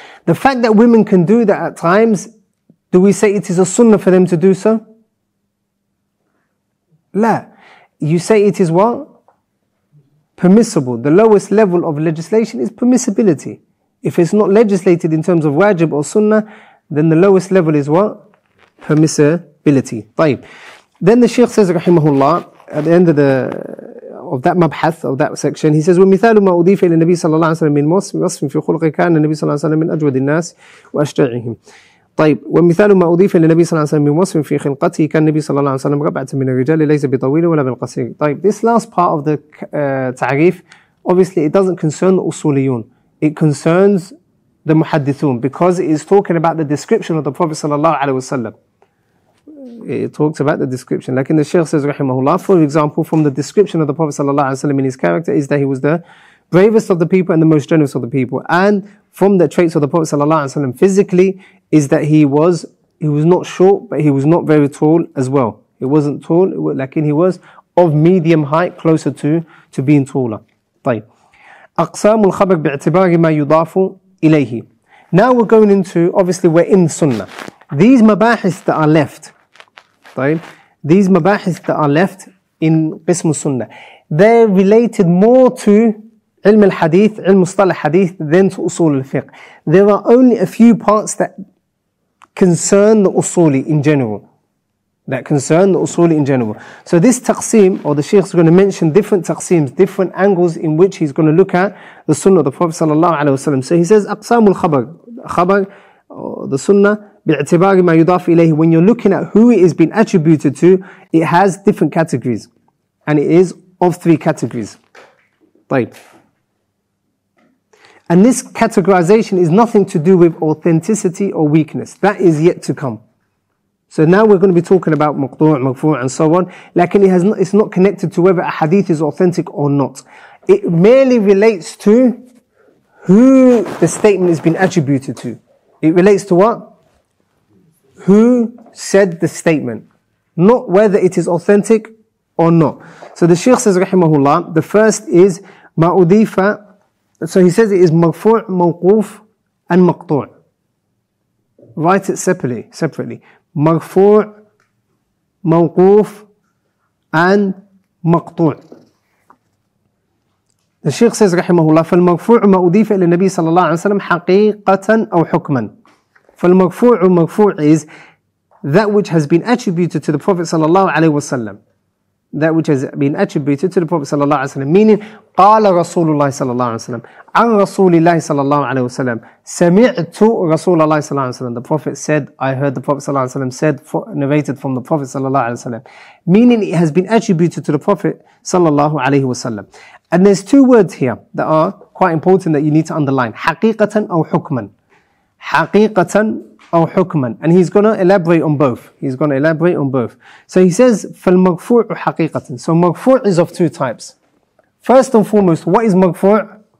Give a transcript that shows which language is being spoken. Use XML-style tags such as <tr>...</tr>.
<en>The fact that women can do that at times, do we say it is a sunnah for them to do so? La. You say it is what? Permissible. The lowest level of legislation is permissibility. If it's not legislated in terms of wajib or sunnah, then the lowest level is what? Permissibility. Taib. Then the Sheikh says, rahimahullah, at the end of the of that mabhath, of that section, he says,</en> <ar>وَمِثَالُ مَا أُضِيفَ إِلَى النَّبِيِّ صَلَّى اللَّهُ عَلَيْهِ وَسَلَّمَ مِنْ مَوْصِفٍ وَصْفٍ فِي خُلُقِهِ كَانَ النَّبِيُّ صَلَّى اللَّهُ عَلَيْهِ وَسَلَّمَ مِنْ أَجْوَدِ النَّاسِ وَأَشْجَعِهِمْ. طيب ومثال ما أضيف إلى النبي صلى الله عليه وسلم من وصف في خلقته كان النبي صلى الله عليه وسلم ربعة من الرجال ليس بطويل ولا بالقصير.</ar> <en>طيب this last part of the تعريف obviously it doesn't concern the أصوليون, it concerns the محدثون, because it is talking about the description of the Prophet صلى الله عليه وسلم. It talks about the description. لكن the Sheikh says رحمه الله, for example, from the description of the Prophet صلى الله عليه وسلم in his character is that he was the bravest of the people and the most generous of the people. And from the traits of the Prophet sallallahu alaihi wasallam physically is that he was not short, but he was not very tall as well. He wasn't tall, lakin he was of medium height, closer to being taller.</en> <ar>طيب أقسام الخبر باعتبار ما يضاف إليه.</ar> <en>Now we're going into, obviously we're in sunnah. These mabahis that are left, طيب, these mabahis that are left in قسم sunnah, they're related more to علم الحديث, علم مصطلح حديث, then to أصول الفقه. There are only a few parts that concern the أصولي in general. That concern the أصولي in general. So this taqseem, or the Sheikh is going to mention different taqseems, different angles in which he's going to look at the sunnah of the Prophet صلى الله عليه وسلم. So he says,</en> <ar>أقسام الخبر, خبر,</ar> <en>the sunnah,</en> <ar>باعتبار ما يضاف إليه.</ar> <en>When you're looking at who it is being attributed to, it has different categories. And it is of three categories. طيب. And this categorization is nothing to do with authenticity or weakness. That is yet to come. So now we're going to be talking about maqtu', marfu', and so on. Lakin it's not connected to whether a hadith is authentic or not. It merely relates to who the statement has been attributed to. It relates to what? Who said the statement. Not whether it is authentic or not. So the Sheikh says, rahimahullah, the first is ma'udifa. So he says it is marfu', mawquf, and maqtu'. Write it separately. Marfu', mawquf, and maqtu'. The Sheikh says,</en> <ar>rahimahullah, فالمرفوع ما أضيف إلى النبي صلى الله عليه وسلم حقيقة أو حكما. فالمرفوع</ar> <en>مرفوع is that which has been attributed to the Prophet صلى الله عليه وسلم. That which has been attributed to the Prophet صلى الله عليه وسلم, meaning</en> <ar>قال رسول الله صلى الله عليه وسلم</ar> <en>عن رسول الله صلى الله عليه وسلم سمعت رسول الله صلى الله عليه وسلم. The Prophet said, I heard the Prophet صلى الله عليه وسلم said, narrated from the Prophet صلى الله عليه وسلم, meaning it has been attributed to the Prophet صلى الله عليه وسلم. And there's two words here that are quite important that you need to underline.</en> <ar>حقيقة أو حكما. حقيقة أو حكما.</ar> <en>And he's going to elaborate on both. So he says,</en> <ar>فالمغفوع حقيقة.</ar> <en>So مغفوع is of two types. First and foremost, what is مغفوع?</en>